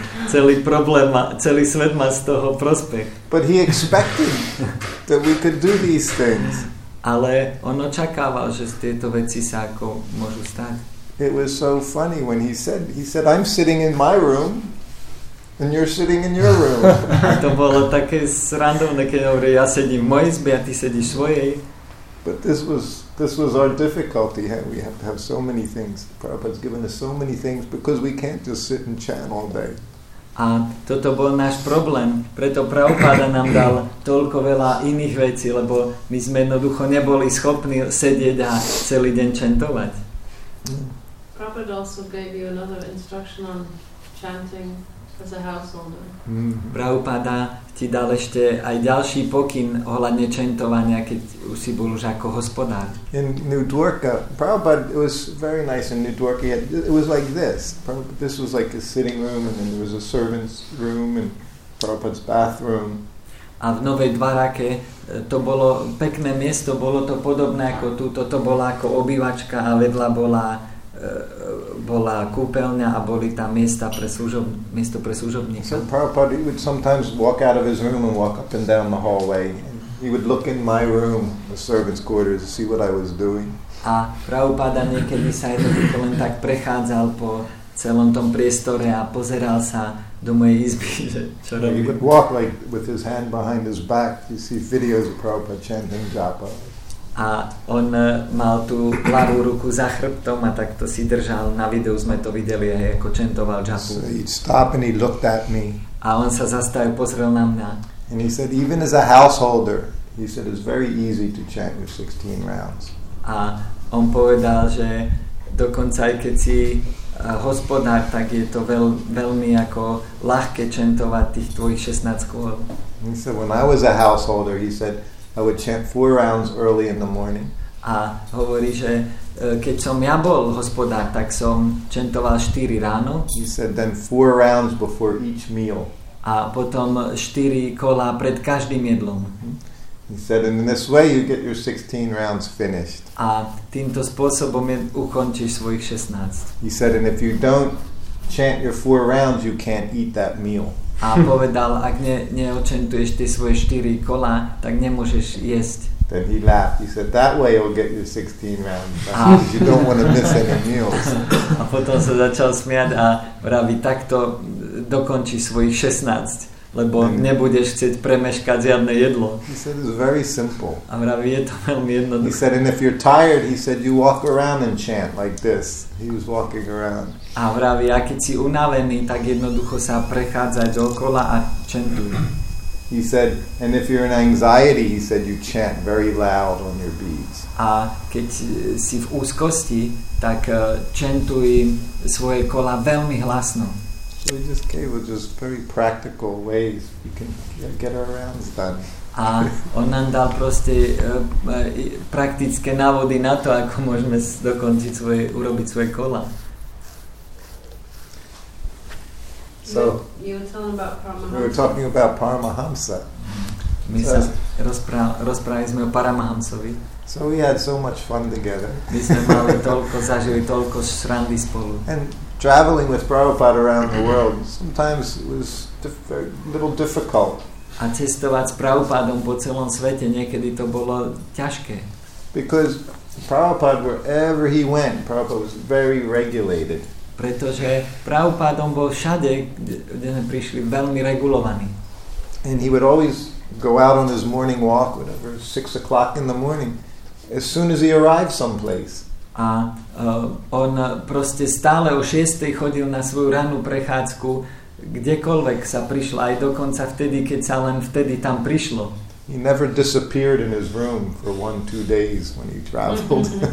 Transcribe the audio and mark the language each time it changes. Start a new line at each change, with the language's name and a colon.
Slovak: Celý problém, celý svet má z toho prospech.
English: But he expected that we could do these things.
Slovak: Ale on očakával, že tieto veci sa ako môžu stať.
English: It was so funny when he said I'm sitting in my room and you're sitting in your room.
Slovak: To bolo také srandovné, keď hovorí, ja sedím v mojej izbe a ty sedíš v svojej.
English: But this was our difficulty. We have to have so many things. Prabhupada's given us so many things because we can't just sit and chant all day.
Slovak: A toto bol náš problém, preto Prabhupada nám dal toľko veľa iných vecí, lebo my sme jednoducho neboli schopní sedieť a celý deň čentovať.
English: Prabhupada also gave you another instruction on chanting as a householder.
Slovak: Prabhupada ti dal ešte aj ďalší pokyn ohľadne čentovania, keď už si bol už ako hospodár.
English: In New Dwarka, Prabhupada, it was very nice in New Dwarka. It was like this. Prabhupada, this was like a sitting room and then there was a servant's room and Prabhupada's bathroom.
Slovak: A v Novej Dvarake to bolo pekné miesto, bolo to podobné ako túto, to bola ako obývačka a vedľa bola kúpeľňa a boli tam miesta pre miesto pre služobníka.
English: So Prabhupada would sometimes walk out of his room and walk up and down the hallway. He would look in my room, the servants' quarters, to see what I was doing.
Slovak: A Prabhupada niekedy sa jednoducho len tak prechádzal po celom tom priestore a pozeral sa do mojej izby, že čo robí.
English: He would walk like with his hand behind his back. You see videos of Prabhupada chanting japa.
Slovak: A on mal tú ľavú ruku za chrbtom a takto si držal. Na videu sme to videli, aj ako čentoval japu.
English: So he'd stop and he looked at me.
Slovak: A on sa zastavil, pozrel na mňa.
English: And he said, even as a householder, he said, it's very easy to chant with 16 rounds.
Slovak: A on povedal, že dokonca aj keď si hospodár, tak je to veľmi ako ľahké čentovať tých tvojich 16 kôl.
English: He said, when I was a householder, he said, I would chant 4 rounds early in the morning.
Slovak: A hovorí, že keď som ja bol hospodár, tak som čentoval 4 ráno.
English: He said, then 4 rounds before each meal.
Slovak: A potom 4 kola pred každým jedlom.
English: He said, and in this way you get your 16 rounds finished.
Slovak: A týmto spôsobom ukončíš svojich 16.
English: He said, and if you don't chant your 4 rounds, you can't eat that meal.
Slovak: A povedal, ak neočentuješ tie svoje 4 kola, tak nemôžeš jesť.
English: Then he laughed. He said, that way you'll get your 16 rounds. Because you don't want to miss any meals.
Slovak: A potom sa začal smiať a vraví, takto dokončí svojich 16, lebo nebudeš chcieť premeškať žiadne jedlo.
English: He said, it's very simple.
Slovak: A vraví, je to veľmi jednoduché.
English: He said, and if you're tired, he said, you walk around and chant like this. He was walking around.
Slovak: A vraví, a keď si unavený, tak jednoducho sa prechádzaj dookola a chantuj.
English: He said, and if you're in anxiety, he said, you chant very loud on your beads.
Slovak: A keď si v úzkosti, tak chantuj svoje kola veľmi hlasno.
English: So he just gave us just very practical ways we can get our rounds done.
Slovak: A on nám dal proste praktické návody na to, ako môžeme dokončiť svoje, urobiť svoje kola.
English: So, you were talking about Paramahamsa. We were talking about Paramahamsa.
Slovak: My sa rozprávali sme o Paramahamsovi.
English: So we had so much fun together.
Slovak: My sme mali toľko, zažili toľko srandy spolu.
English: And traveling with Prabhupada around the world sometimes was a little difficult.
Slovak: A cestovať s Prabhupádom po celom svete niekedy to bolo ťažké.
English: Because Prabhupada, wherever he went, Prabhupada was very regulated.
Slovak: Pretože Prabhupádom bol všade, kde prišli, veľmi regulovaný.
English: And he would always go out on his morning walk, whatever, 6 o'clock in the morning, as soon as he arrived someplace.
Slovak: A on proste stále o 6. chodil na svoju rannú prechádzku, kdekoľvek sa prišlo, aj dokonca vtedy, keď sa len vtedy tam prišlo.
English: He never disappeared in his room for 1-2 days when he traveled.